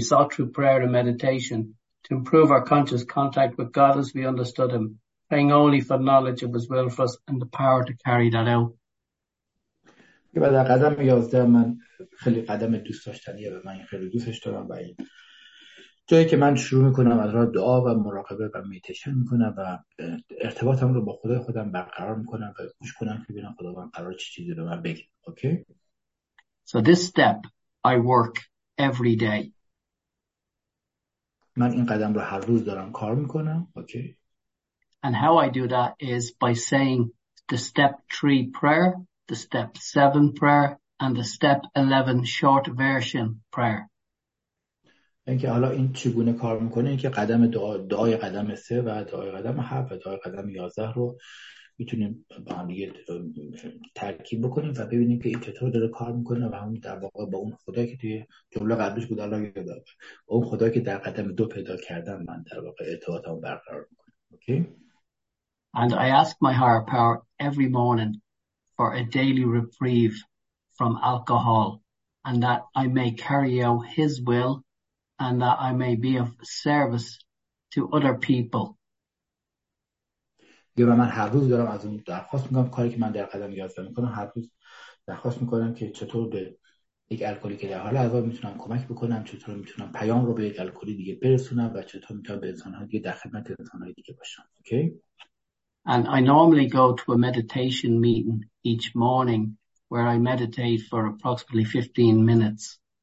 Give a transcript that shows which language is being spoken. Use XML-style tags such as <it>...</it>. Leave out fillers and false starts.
<en>Sought through prayer and meditation to improve our conscious contact with God as we understood him, praying only for knowledge of his will for us and the power to carry that out.</en> <fa>یه بعد در قدم 11 من خیلی قدم دوست داشتنیه و من خیلی دوستش دارم و این جایی که من شروع میکنم از راه دعا و مراقبه و میتشن میکنم و ارتباطم رو با خدای خودم برقرار میکنم و گوش کنم که ببینم خدا من قرار چی چیزی رو من بگه. اوکی</fa> <en>So this step, I work every day.</en> <fa>من این قدم رو هر روز دارم کار میکنم. Okay.</fa> <en>And how I do that is by saying the step 3 prayer, the step 7 prayer, and the step 11 short version prayer.</en> <fa>اینکه حالا این چگونه کار میکنه؟ اینکه قدم دعای قدم 3 و دعای قدم 7 و دعای قدم 11 رو میتونیم با هم دیگه ترکیب بکنیم و ببینیم که این چطور داره کار میکنه و همون در واقع با اون خدا که توی جمله قبلش بود الله یاد داره با اون خدا که در قدم دو پیدا کردن من در واقع ارتباط همون برقرار میکنم. اوکی؟</fa> <en>And I ask my higher power every morning for a daily reprieve from alcohol and that I may carry out his will and that I may be of service to other people.</en> <fa>یه من هر روز دارم از اون درخواست میکنم کاری که من در قدم یادم میکنم هر روز درخواست میکنم که چطور به یک الکلی که در حال عذاب میتونم کمک بکنم چطور میتونم پیام رو به یک الکلی دیگه برسونم و چطور میتونم به انسان ها دیگه در خدمت انسان های دیگه باشم. اوکی؟</fa> <en>And I normally go to a meditation meeting each morning where I meditate for approximately 15 minutes.</en>